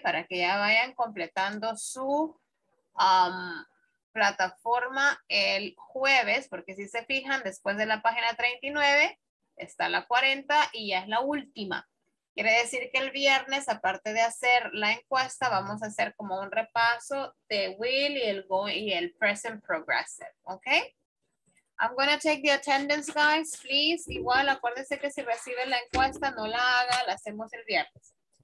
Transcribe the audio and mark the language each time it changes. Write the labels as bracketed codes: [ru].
[es] Para que ya vayan completando su plataforma el jueves, porque si se fijan, después de la página 39 está la 40 y ya es la última. Quiere decir que el viernes, aparte de hacer la encuesta, vamos a hacer como un repaso de will y el going y el present progressive, ¿ok? [en] I'm going to take the attendance, guys, please. [es] Igual, acuérdense que si reciben la encuesta, no la haga, la hacemos el viernes.